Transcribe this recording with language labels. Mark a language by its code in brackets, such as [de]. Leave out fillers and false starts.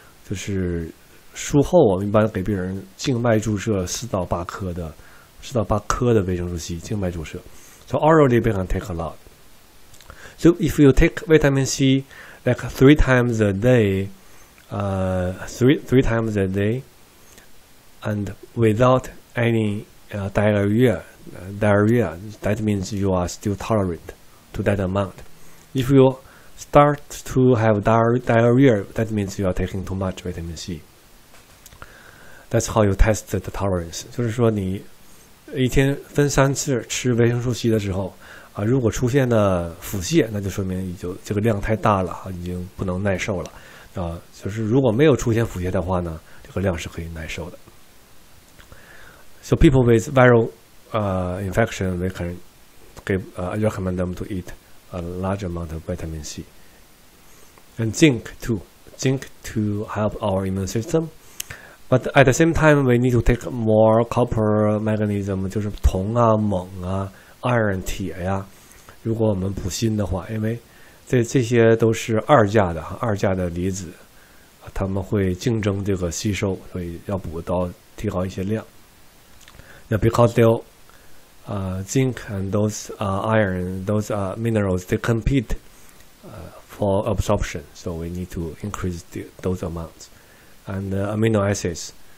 [zh] 就是术后我们一般给病人静脉注射4到8颗的维生素 C, 静脉注射。 [en] So orally we can take a lot. So if you take vitamin C like 3 times a day,3 times a day, and without any diarrhea, that means you are still tolerant to that amount. If you start to have diarrhea, that means you are taking too much vitamin C. That's how you test the tolerance. [zh] 就是说你一天分三次吃维生素 C 的时候、啊、如果出现了腹泻，那就说明你就这个量太大了，已经不能耐受了。就是如果没有出现腹泻的话呢，这个量是可以耐受的。 [en] So people with viral infection, we can recommend them to eat a large amount of vitamin C. And zinc too. Zinc to help our immune system. But at the same time, we need to take more copper mechanism, [zh] 就是铜啊、锰啊、iron、铁呀、啊。如果我们补锌的话，因为这些都是二价的，二价的离子，他们会竞争这个吸收，所以要补到提高一些量。 [en] Now because they, zinc and those iron, those minerals, they compete for absorption, so we need to increase those amounts and amino acids.